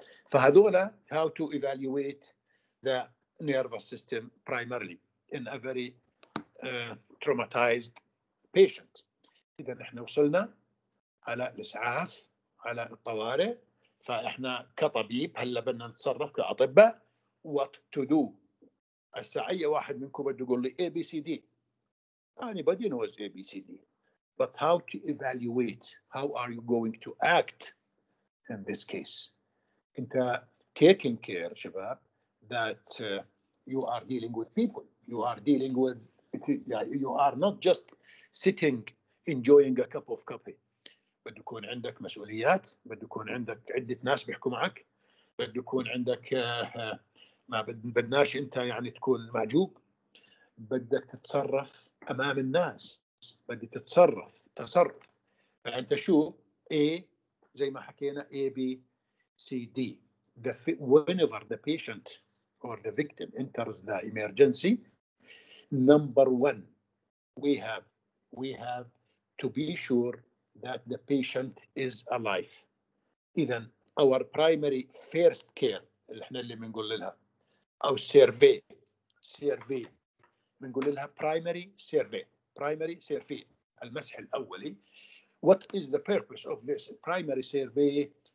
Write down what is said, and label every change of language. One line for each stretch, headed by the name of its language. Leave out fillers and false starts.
Arabic: فهذولا
English: how to evaluate the nervous system primarily in a very traumatized patient.
Arabic: إذا نحن وصلنا على الإسعاف على الطوارئ. فإحنا كطبيب هلا بدنا نتصرف كأطباء.
English: What to do؟
Arabic: الساعة أي واحد منكم بده يقول لي ABCD.
English: Anybody knows ABCD. But how to evaluate? How are you going to act in this case?
Arabic: أنت
English: taking care
Arabic: شباب
English: that you are dealing with people. You are dealing with. You are not just sitting enjoying a cup of coffee.
Arabic: بده يكون عندك مسؤوليات، بده يكون عندك عدة ناس بيحكوا معك، بده يكون عندك ما بدناش أنت يعني تكون معجوق، بدك تتصرف أمام الناس، بدك تتصرف تصرف. فأنت شو A زي ما حكينا A B C D.
English: Whenever the patient or the victim enters the emergency, number one we have to be sure that the patient is alive.
Arabic: إذن
English: our primary first care
Arabic: اللي إحنا اللي منقول لها أو survey منقول لها
English: primary survey
Arabic: المسح الأولي.
English: What is the purpose of this primary survey?